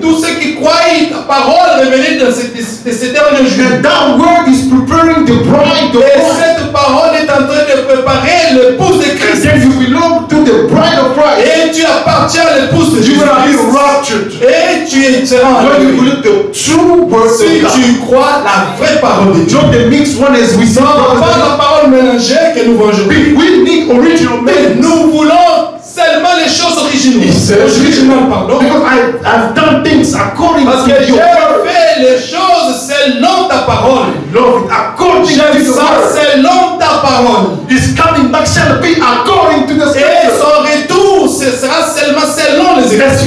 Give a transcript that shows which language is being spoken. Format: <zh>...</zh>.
<fr>Tous ceux qui croient la parole révélée dans ces derniers jours.</fr> <en>And that word is preparing the bride.</en> <fr>Cette parole est en train de préparer l'épouse de Christ.</fr> <en>And you belong to the bride of Christ.</en> <fr>Et tu appartiens à l'épouse de Jésus.</fr> <en>You will be raptured.</en> <fr>Et tu seras.</fr> <en>When you believe the true word of God.</en> <fr>Si tu crois la vraie parole de Dieu.</fr> <en>Not the mixed one as we saw.</en> <fr>Non, pas la parole mélangée que nous voyons aujourd'hui.</fr> <en>We need original.</en> <fr>Mais nous voulons seulement les choses originales. Original, pardon.</fr> <en>Because I have done things according</en> <fr>parce</fr> <en>to your word.</en> <fr>Parce que j'ai fait les choses selon ta parole.</fr> <en>Lord, according to your word.</en> <fr>Selon ta parole.</fr> <en>His coming back shall be according to the scripture.</en> <fr>Et son retour ce sera seulement selon les écritures.</fr>